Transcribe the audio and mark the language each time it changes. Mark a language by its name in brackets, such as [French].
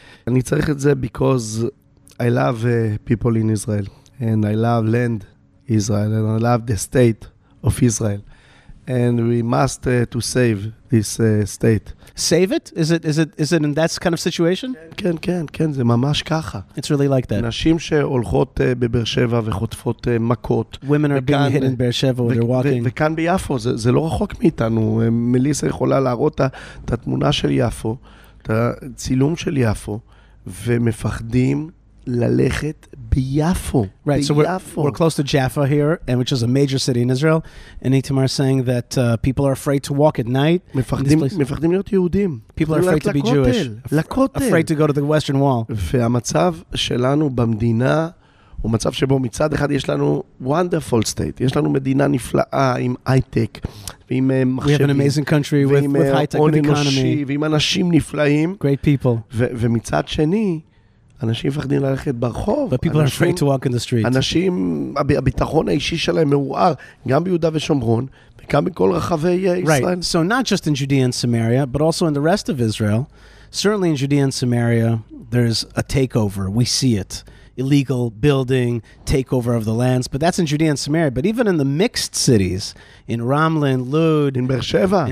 [Hebrew] אני צריך את זה [English] because I love people in Israel, and I love land Israel, and I love the state of Israel. And we must to save this state. Save it? Is it in that kind of situation? [Hebrew] Can. זה ממש ככה. [English] It's really like that. [Hebrew] נשים שהולכות בבאר שבע וחוטפות מכות. [English] Women are being hit in באר שבע when they're walking. [Hebrew] וכאן ביפו, זה לא רחוק מאיתנו. מליסה יכולה להראות את התמונה של יפו, את הצילום של יפו, ומפחדים ללכת ביפו. [English] Right, [Hebrew] ביפו. [English] So we're close to Jaffa here, and which is a major city in Israel. And Itamar is saying that people are afraid to walk at night. [Hebrew] מפחדים להיות יהודים. [English] People are afraid to be Jewish. [Hebrew] לכותל. [English] Afraid to go to the Western Wall. [Hebrew] והמצב שלנו במדינה הוא מצב שבו מצד אחד יש לנו [English] wonderful state. [Hebrew] יש לנו מדינה נפלאה עם הייטק ועם מחשבים. [English] We have an amazing country with high-tech and economy. [Hebrew] ועם אנשים נפלאים. [English] Great people. [Hebrew] ומצד שני, אנשים מפחדים ללכת ברחוב. [English] But people are afraid to walk in the street. [Hebrew] אנשים, הביטחון האישי שלהם מעורער, גם ביהודה ושומרון, וגם בכל רחבי ישראל. [English] Right, so not just in Judea and Samaria, but also in the rest of Israel. Certainly in Judea and Samaria, there's a takeover. We see it. Illegal building, takeover of the lands. But that's in Judea and Samaria. But even in the mixed cities, in Ramla, in Lod. In Be'er Sheva.